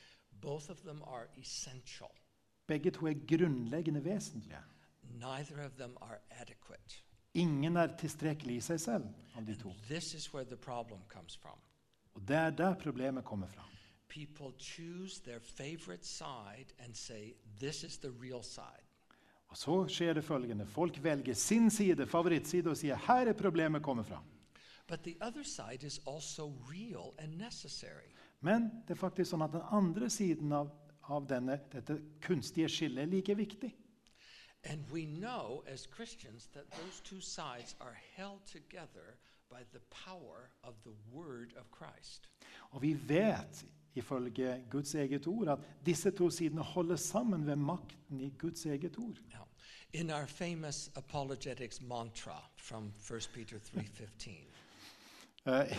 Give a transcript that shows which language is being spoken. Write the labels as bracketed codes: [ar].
[en] Both of them are essential. [sv] Bägge två är grundläggande väsentliga. [en] Neither of them are adequate. [sv] Ingen är tillräcklig i sig själv av de två. [en] This is where the problem comes from. [sv] Och det är där problemet kommer från. [en] People choose their favorite side and say this is the real side. [sv] Och så sker det följande. Folk väljer sin sida, favoritsida och säger här är problemet kommer från. [en] But the other side is also real and necessary. [sv] Men det är faktiskt så att den andra sidan av detta kunstiga skille är lika viktig. [en] And we know as Christians that those two sides are held together by the power of the word of Christ. [sv] Och vi vet ifölje Guds eget ord att dessa två sidor håller samman med makten i Guds eget ord. [en] Now, in our famous apologetics mantra from 1 Peter 3:15.